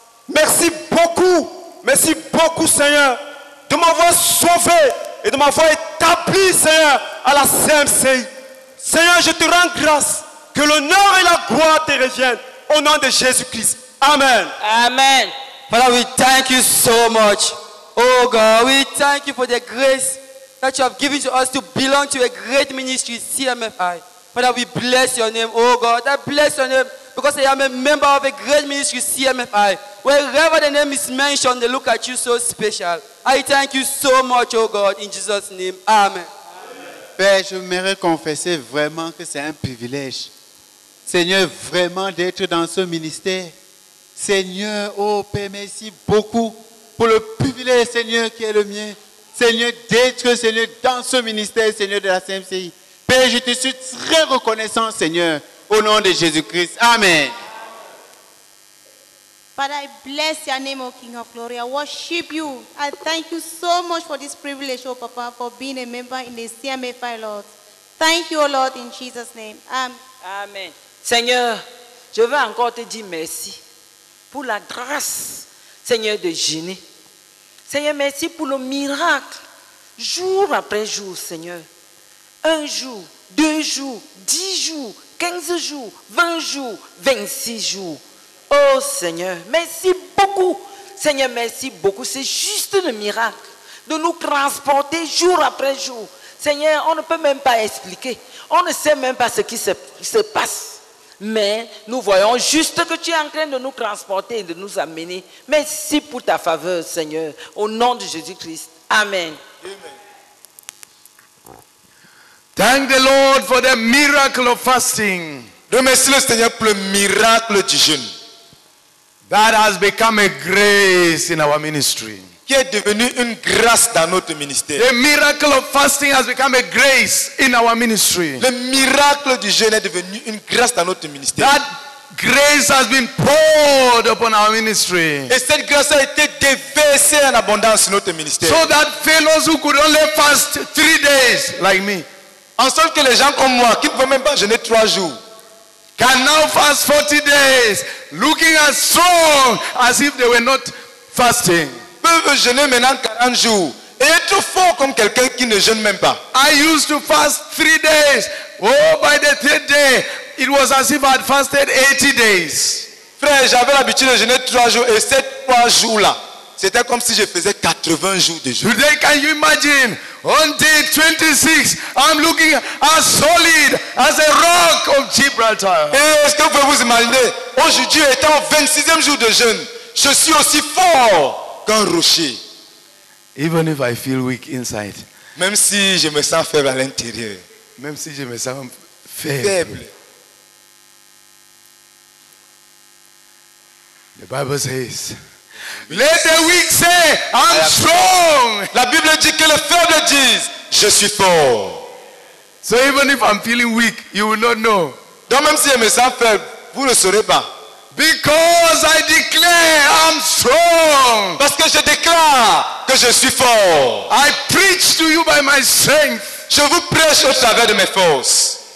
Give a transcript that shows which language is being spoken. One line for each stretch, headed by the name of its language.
French: Merci beaucoup, Seigneur, de m'avoir sauvé et de m'avoir établi, Seigneur, à la CMCI. Seigneur, je te rends grâce. Que l'honneur et la gloire te reviennent au nom de Jésus-Christ. Amen. Amen.
English: Father, we thank you so much. Oh God, we thank you for the grace that you have given to us to belong to a great ministry, CMFI. Father, we bless your name, oh God. I bless your name because I am a member of a great ministry, CMFI. Wherever the name is mentioned, they look at you so special. I thank you so much, oh God, in Jesus' name. Amen.
French: Père, je voudrais confesser vraiment que c'est un privilège. Seigneur, vraiment d'être dans ce ministère. Seigneur, oh Père, merci beaucoup pour le privilège, Seigneur, qui est le mien. Seigneur, d'être, Seigneur, dans ce ministère, Seigneur, de la CMCI. Père, je te suis très reconnaissant, Seigneur, au nom de Jésus-Christ. Amen.
English: Father, I bless your name, O King of Glory. I worship you. I thank you so much for this privilege, O Papa, for being a member in the CMFI, Lord. Thank you, O Lord, in Jesus' name. Amen.
French: Seigneur, je veux encore te dire merci pour la grâce, Seigneur, de Génie. Seigneur, merci pour le miracle, jour après jour, Seigneur. Un jour, deux jours, 10 jours, 15 jours, 20 jours, 26 jours. Oh Seigneur, merci beaucoup. Seigneur, merci beaucoup. C'est juste le miracle de nous transporter jour après jour. Seigneur, on ne peut même pas expliquer. On ne sait même pas ce qui se passe. Mais nous voyons juste que tu es en train de nous transporter et de nous amener. Merci pour ta faveur, Seigneur. Au nom de Jésus-Christ. Amen. Amen.
English: Thank the Lord for the miracle of fasting.
French: Remercie le Seigneur pour le miracle du jeûne.
English: That has become a grace in our ministry.
French: Qui est devenu une grâce dans notre ministère.
English: The miracle of fasting has become a grace in our ministry.
French: Le miracle du jeûne est devenu une grâce dans notre ministère.
English: That grace has been poured upon our ministry.
French: Et cette grâce a été déversée en abondance dans notre ministère.
English: So that fellows who could only fast 3 days, like me,
French: en sorte que les gens comme moi qui ne peuvent même pas jeûner 3 jours.
English: Can now fast 40 days, looking as strong as if they were not fasting.
French: Peuvent jeûner maintenant 40 jours et être fort comme quelqu'un qui ne jeûne même pas.
English: I used to fast 3 days. Oh, by the third day, it was as if I had fasted 80 days.
French: Frère, j'avais l'habitude de jeûner 3 jours et ces 3 jours-là, c'était comme si je faisais 80 jours de jeûne.
English: Today, can you imagine? On day 26, I'm looking as solid as a rock of Gibraltar.
French: Et est-ce que vous pouvez vous imaginer? Aujourd'hui, étant au 26e jour de jeûne, je suis aussi fort qu'un rocher.
English: Even if I feel weak inside.
French: Même si je me sens faible à l'intérieur. Même si je me sens faible. Faible.
English: The Bible says, let the weak say, I'm strong.
French: La Bible dit que le faible dise, je suis fort.
English: So even if I'm feeling weak, you will not know.
French: Donc même si je me sens faible, vous ne saurez pas.
English: Because I declare, I'm strong.
French: Parce que je déclare que je suis fort.
English: I preach to you by my strength.
French: Je vous prêche au travers de mes forces.